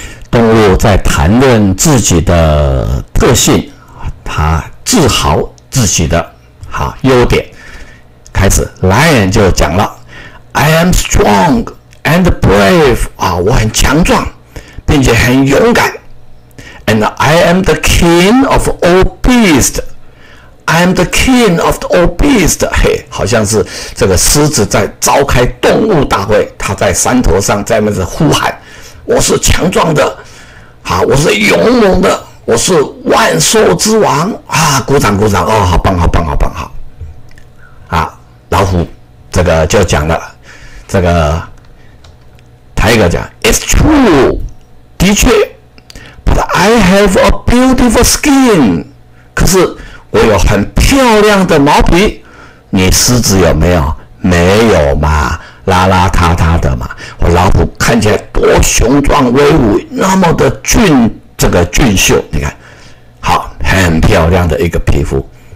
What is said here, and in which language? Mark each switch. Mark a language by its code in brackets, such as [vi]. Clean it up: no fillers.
[zh] 动物在谈论自己的特性，它自豪自己的好优点。开始，莱恩就讲了 ： [en] “I am strong and brave [zh] 啊，我很强壮，并且很勇敢。 [en] And I am the king of all beasts.” I am the king of the old beast. [zh] 嘿，好像是这个狮子在召开动物大会，他在山头上在那边呼喊，我是强壮的，好，我是勇猛的，我是万兽之王啊！鼓掌鼓掌，哦，好棒好棒好棒好。啊，老虎这个就讲了，这个Tiger讲 ， [en] It's true， [zh] 的确 ， [en] But I have a beautiful skin， [zh] 可是。我有很漂亮的毛皮，你狮子有没有？没有嘛，邋邋遢遢的嘛。我老虎看起来多雄壮威武，那么的俊，这个俊秀，你看，好，很漂亮的一个皮肤。